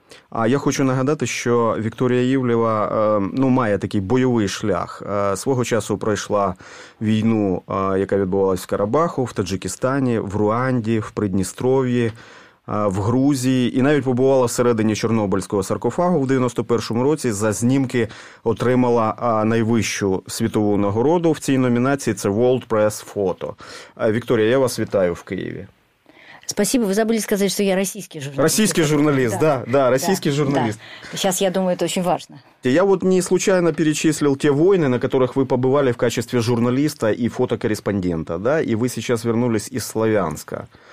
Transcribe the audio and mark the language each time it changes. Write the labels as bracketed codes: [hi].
[uk] А я хочу нагадати, що Вікторія Івлєва має такий бойовий шлях. Свого часу пройшла війну, яка відбувалась в Карабаху, в Таджикистані, в Руанді, в Придністров'ї, в Грузії. І навіть побувала всередині Чорнобильського саркофагу в 91-му році. За знімки отримала найвищу світову нагороду в цій номінації – це World Press Photo. Вікторія, я вас вітаю в Києві. [ru] Спасибо, вы забыли сказать, что я российский журналист. Российский журналист, да. Сейчас я думаю, это очень важно. Я вот не случайно перечислил те войны, на которых вы побывали в качестве журналиста и фотокорреспондента, да, и вы сейчас вернулись из Славянска.